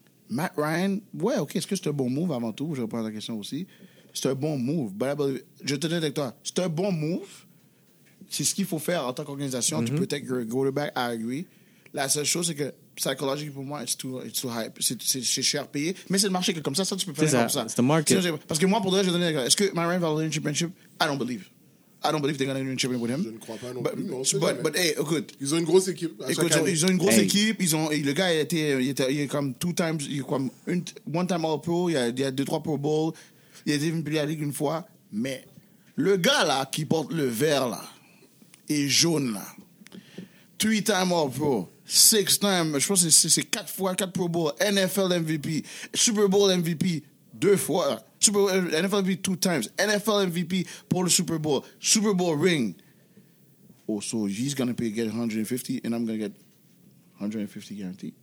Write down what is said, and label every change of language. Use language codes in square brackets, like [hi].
[fr] Matt Ryan, ouais, OK, est-ce que c'est un bon move avant tout? Je reprends la question aussi. C'est un bon move. Je te dis avec toi. C'est un bon move. C'est ce qu'il faut faire en tant qu'organisation. Mm-hmm. Tu peux [en] take your quarterback, I agree. [fr] La seule chose, c'est que psychologique pour moi, [en] it's too hype. [fr] C'est cher payé. Mais c'est le marché que comme ça, ça, tu peux faire comme ça. C'est le market. Sinon, parce que moi, pour le reste, je te dis avec toi. Est-ce que my Ryan va gagner un championship? [en] I don't believe they're going to win a championship with him. [fr] Je ne crois pas non plus. [en] But hey, [fr] écoute. Ils ont une grosse équipe. Ils ont une grosse équipe. Le gars, il est comme [en] two times. [fr] Il est comme one time all pro. Il y a deux, trois Pro Bowl. Il est venu à la ligue une fois, mais le gars là qui porte le vert là et jaune là, 3-time All Pro, 6-time, je pense que c'est 4 fois, 4 Pro Bowl, NFL MVP, Super Bowl MVP 2 fois, Super Bowl, [en] NFL MVP 2 times, [fr] NFL MVP pour le Super Bowl, Super Bowl ring. [en] Oh, so he's gonna pay, get 150 and I'm gonna get 150 guaranteed.